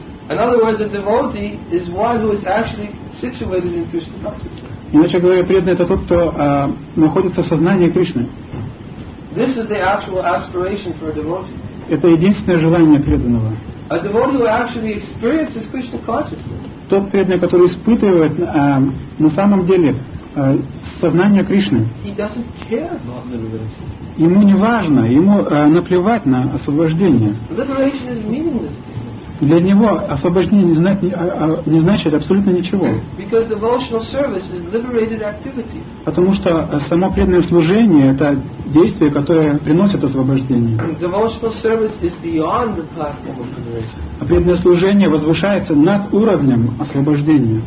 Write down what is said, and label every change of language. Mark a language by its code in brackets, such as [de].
[en] In other words, a devotee is one who is actually situated in Krishna consciousness. [ru] Иначе говоря, преданный — это тот, кто находится в сознании Кришны. [en] This is the actual aspiration for a devotee. [ru] Это единственное желание преданного. [en] A devotee who actually experiences Krishna consciousness. [ru] Тот преданный, который испытывает на самом деле сознание Кришны. [en] He doesn't care about liberation. [ru] Ему не важно, ему наплевать на освобождение. [en] Liberation is meaningless. [ru] Для него освобождение не значит абсолютно ничего. [en] Because devotional service is liberated activity. [ru] Потому что само преданное служение — это действие, которое приносит освобождение. [en] Devotional service is beyond the path of liberation. [ru] А преданное служение возвышается над уровнем освобождения.